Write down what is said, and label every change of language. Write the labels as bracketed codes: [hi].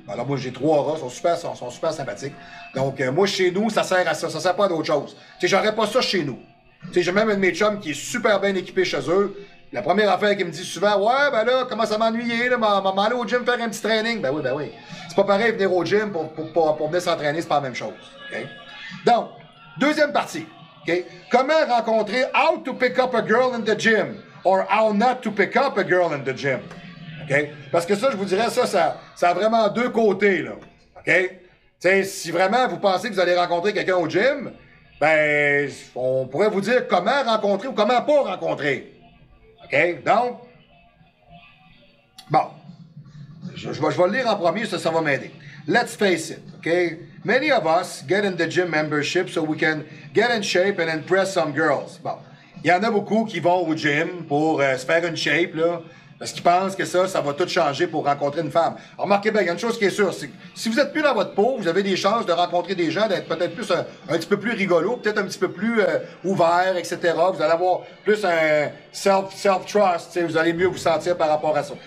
[fr] Alors, moi, j'ai trois rats, ils sont super sympathiques. Donc, moi, chez nous, ça sert à ça. Ça sert pas à d'autres choses. Tu sais, j'aurais pas ça chez nous. Tu sais, j'ai même un de mes chums qui est super bien équipé chez eux. La première affaire qu'il me dit souvent, ouais, ben là, comment ça m'ennuyer, là, m'aller au gym faire un petit training. Ben oui. C'est pas pareil, venir au gym pour venir s'entraîner, c'est pas la même chose. Okay? Donc, deuxième partie. Okay? Comment rencontrer [en] how to pick up a girl in the gym or how not to pick up a girl in the gym? Okay? [fr] Parce que ça, je vous dirais, ça a vraiment deux côtés, là. OK? T'sais, si vraiment vous pensez que vous allez rencontrer quelqu'un au gym, ben, on pourrait vous dire comment rencontrer ou comment pas rencontrer. OK? Donc, bon. Je vais le lire en premier, ça va m'aider. [en] Let's face it, [fr] OK? [en] many of us get in the gym membership so we can get in shape and impress some girls. [fr] Bon. Il y en a beaucoup qui vont au gym pour se faire une shape, là, parce qu'ils pensent que ça va tout changer pour rencontrer une femme. Alors, remarquez bien, il y a une chose qui est sûre, c'est que si vous êtes plus dans votre peau, vous avez des chances de rencontrer des gens, d'être peut-être plus un petit peu plus rigolo, peut-être un petit peu plus ouvert, etc. Vous allez avoir plus un self-trust, t'sais, vous allez mieux vous sentir par rapport à ça.